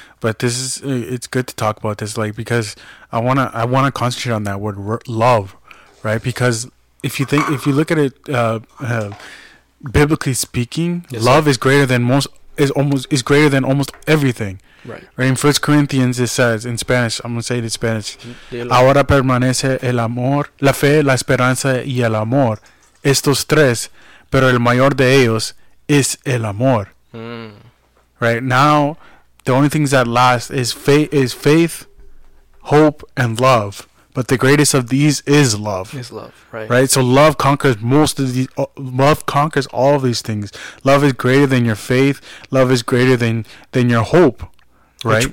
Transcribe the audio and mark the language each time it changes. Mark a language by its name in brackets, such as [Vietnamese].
[English] But this is, it's good to talk about this, like, because I wanna concentrate on that word love, right? Because if you look at it, biblically speaking, yes, love, sir, is greater than almost everything. Right. Right. In 1 Corinthians, it says, in Spanish, I'm going to say it in Spanish. [Spanish] Ahora permanece el amor, la fe, la esperanza y el amor. Estos tres, pero el mayor de ellos es el amor. Mm. [English] Right. Now, the only things that last is faith, hope, and love. But the greatest of these is love. Is love, right? Right. So love conquers all of these things. Love is greater than your faith. Love is greater than your hope. Right,